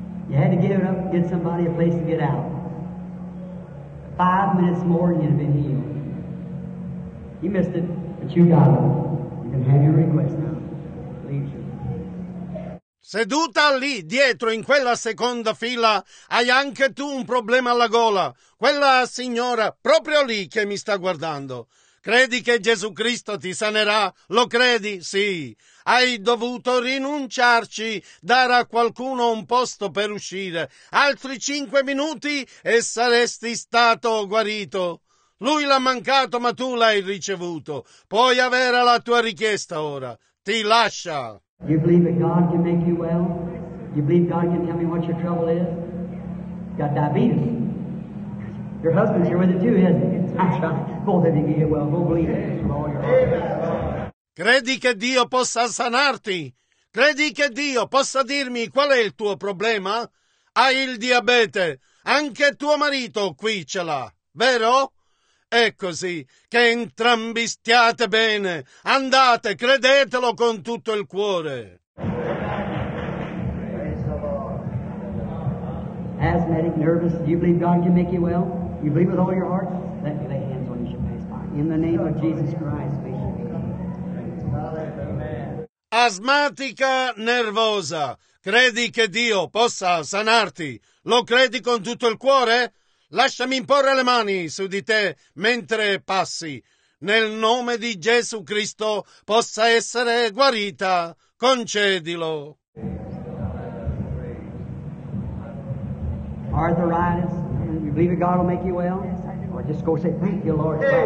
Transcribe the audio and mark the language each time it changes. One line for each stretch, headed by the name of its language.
English: You had to give it up and get somebody a place to get out. 5 minutes more and you'd have been healed. You missed it, but you got it. You can have your request now. Leave you.
Italian: Seduta lì dietro in quella seconda fila, hai anche tu un problema alla gola. Quella signora proprio lì che mi sta guardando. Credi che Gesù Cristo ti sanerà? Lo credi? Sì. Hai dovuto rinunciarci, dare a qualcuno un posto per uscire. Altri 5 minuti e saresti stato guarito. Lui l'ha mancato, ma tu l'hai ricevuto. Puoi avere la tua richiesta ora. Ti lascia.
English: You believe that God can make you well? You believe God can tell me what your trouble is? Got diabetes. Your husband's here with it too, isn't he? Both of you get well. Go believe it.
Italian: Credi che Dio possa sanarti? Credi che Dio possa dirmi qual è il tuo problema? Hai il diabete. Anche tuo marito qui ce l'ha, vero? È così. Che entrambi stiate bene. Andate, credetelo con tutto il cuore.
English: Asthmatic, nervous. Do you believe God can make you well? You believe with all your heart? Let me lay hands on you. In the name of Jesus Christ.
Italian: Asmatica nervosa, credi che Dio possa sanarti? Lo credi con tutto il cuore? Lasciami imporre le mani su di te mentre passi. nel nome di Gesù Cristo possa essere guarita. Concedilo.
English: Arthritis, you believe that God will make you well? Yes, I do. Just go say, thank you, Lord.